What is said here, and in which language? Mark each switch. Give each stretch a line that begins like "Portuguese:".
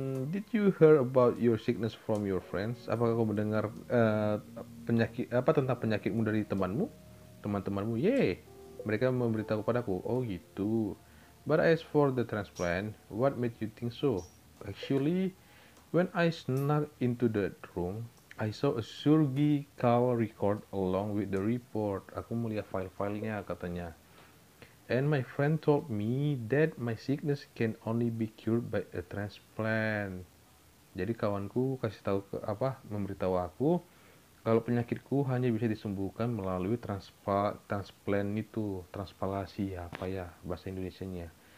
English: Did you hear about your sickness from your friends?
Indonesian: Apakah kau mendengar penyakit apa tentang penyakitmu dari temanmu? Teman-temanmu, yeay, mereka memberitahu padaku. Oh gitu.
English: But as for the transplant, what made you think so? Actually, when I snuck into the room, I saw a surgical record along with the report.
Indonesian: Aku melihat file-filenya, katanya.
English: And my friend told me that my sickness can only be cured by a transplant.
Indonesian: Jadi kawanku kasih tahu ke apa, memberitahu aku. Kalau penyakitku hanya bisa disembuhkan melalui transplant itu, transplantasi apa ya bahasa Indonesianya?